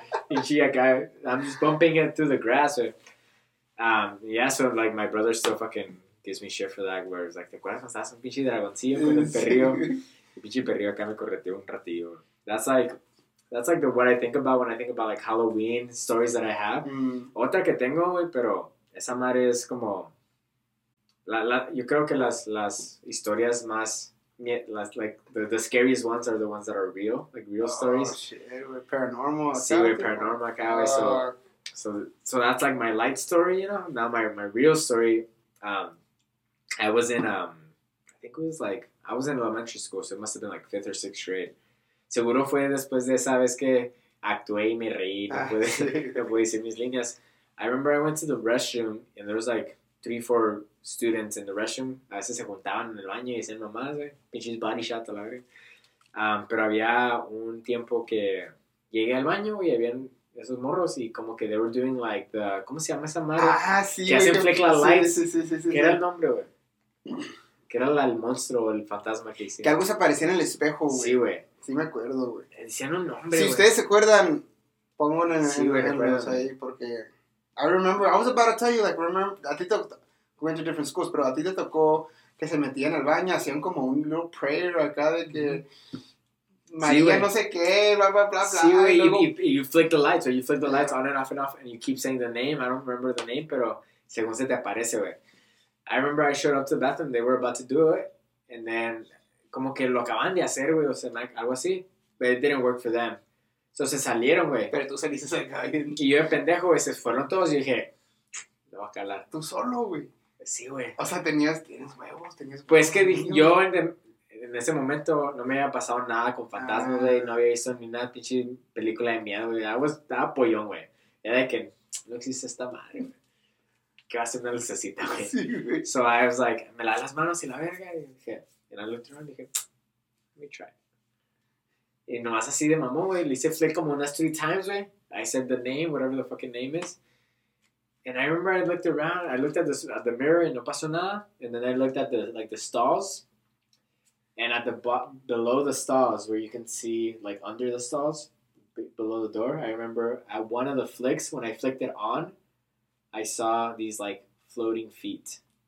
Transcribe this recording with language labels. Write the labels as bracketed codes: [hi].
[en] And she, like, I'm just bumping it through the grass. But, yeah, so, like, my brother still fucking gives me shit for that, where it's like, [es] ¿te acuerdas cuando estás un pinche dragoncillo con el perrillo? El pinche perrillo acá me correteó un ratillo. [en] That's like the what I think about when I think about, like, Halloween stories that I have. Mm. [es] Otra que tengo, güey, pero esa madre es como... yo creo que las historias más... [en] the scariest ones are the ones that are real. Like, real stories. Oh, shit. We're paranormal. Sí, we're paranormal, cabrón. So that's, like, my light story, you know? Now my real story... I was in... I think it was, like... I was in elementary school, so it must have been, like, 5th or 6th grade. [es] Seguro fue después de esa vez que actué y me reí. No pude decir mis líneas. [en] I remember I went to the restroom and there was like 3-4 students in the restroom. [es] A veces se juntaban en el baño y decían mamás, güey. Pinches body shot, la verdad. Pero había un tiempo que llegué al baño y habían esos morros y como que [en] they were doing like the... [es] ¿Cómo se llama esa madre? Ah, sí. Que hacen flick la light. Sí. ¿Qué era el nombre, güey? Que era el monstruo o el fantasma que hicieron. Que algo se aparecía en el espejo, güey. Sí, güey. Sí me acuerdo, güey. Decían un nombre, güey. Si ustedes se acuerdan, pónganlo en los ahí, porque... [en] I remember, I was about to tell you, like, remember, [es] a ti te tocó, [en] went to different schools, [es] pero a ti te tocó que se metían al baño, hacían como un little prayer acá de que... María sí, no sé qué, bla, bla, bla, sí, bla. [en] Sí, güey, you flick the lights, or you flick the lights on and off, and you keep saying the name, I don't remember the name, [es] pero según se te aparece, güey. [en] I remember I showed up to the bathroom, they were about to do it, and then... [es] Como que lo acaban de hacer, güey, o sea, like, algo así. [en] But it didn't work for them. So [es] se salieron, güey. Pero tú saliste de alguien. Y yo de pendejo, güey, se fueron todos. Y dije, me voy a calar. ¿Tú solo, güey? Sí, güey. O sea, tienes huevos, tenías... Pues huevos, que niño, yo en ese momento no me había pasado nada con fantasmas, güey. No había visto ni nada pinche película de miedo, güey. Estaba pollón, güey. Era de que no existe esta madre, güey. ¿Qué va a ser una lucecita, güey? Sí, güey. [en] So I was like, [es] me lavé las manos y la verga. Y dije... [en] And I looked around and dije, let me try. [es] Y nomás así de mamón, güey. Le hice flick como unas 3 times, güey. [en] I said the name, whatever the fucking name is. And I remember I looked around. I looked at the mirror and [es] no pasó nada. [en] And then I looked at the stalls. And at the below the stalls, where you can see, like, under the stalls, below the door, I remember at one of the flicks, when I flicked it on, I saw these, like, floating feet.